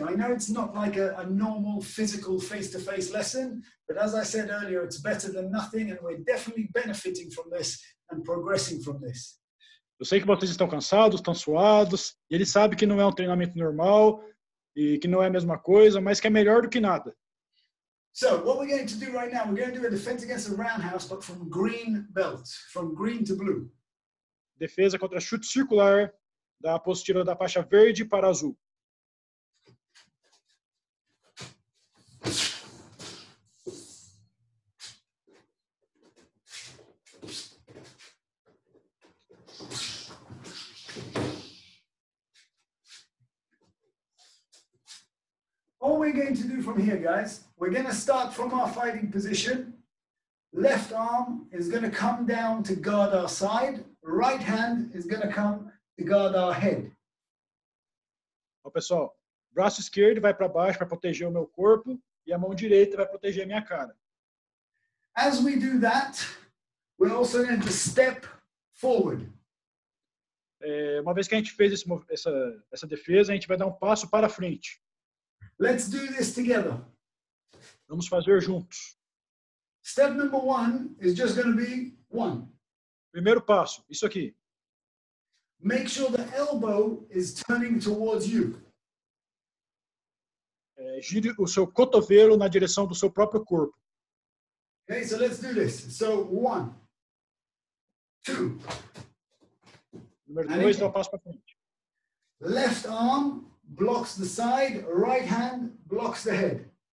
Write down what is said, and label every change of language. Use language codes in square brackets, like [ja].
[en] I know it's not like a normal physical face-to-face lesson, but as I said earlier, it's better than nothing, and we're definitely benefiting from this and progressing from this. [pt] Eu sei que vocês estão cansados, estão suados, e ele sabe que não é um treinamento normal e que não é a mesma coisa, mas que é melhor do que nada. [en] So what we're going to do right now, we're going to do a defense against a roundhouse, but from green belt, from green to blue. [pt] Defesa contra chute circular da apostila da faixa verde para azul. [en] All we're going to do from here, guys, we're going to start from our fighting position. Left arm is going to come down to guard our side. Right hand is going to come to guard our head. [pt] Ó, pessoal, braço esquerdo vai para baixo para proteger o meu corpo e a mão direita vai proteger a minha cara. [en] As we do that, we're also going to step forward. [pt] É, uma vez que a gente fez essa defesa, a gente vai dar um passo para frente. [en] Let's do this together. [pt] Vamos fazer juntos. [en] Step number one is just going to be one. [pt] Primeiro passo, isso aqui. [en] Make sure the elbow is turning towards you. [pt] É, gire o seu cotovelo na direção do seu próprio corpo. [en] Okay, so let's do this. So one, two. [pt] Número dois, dá um passo para frente. [en] Left arm blocks the side, right hand blocks the head.